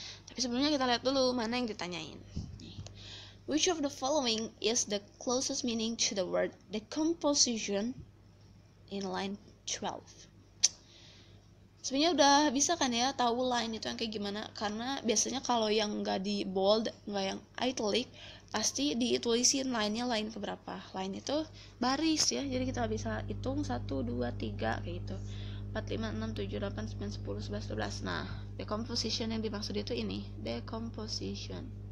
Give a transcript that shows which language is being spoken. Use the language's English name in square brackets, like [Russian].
[Indonesian] Tapi sebelumnya kita lihat dulu mana yang ditanyain. [English] Which of the following is the closest meaning to the word decomposition in line 12? [Indonesian] Sebenarnya udah bisa kan ya tahu line itu yang kayak gimana, karena biasanya kalau yang enggak di bold, enggak yang italic, pasti ditulisin line-nya line keberapa. Line itu baris ya. Jadi kita bisa hitung 1 2 3 kayak gitu. 4 5 6 7 8 9 10 11 12. Nah, decomposition yang dimaksud itu ini, decomposition.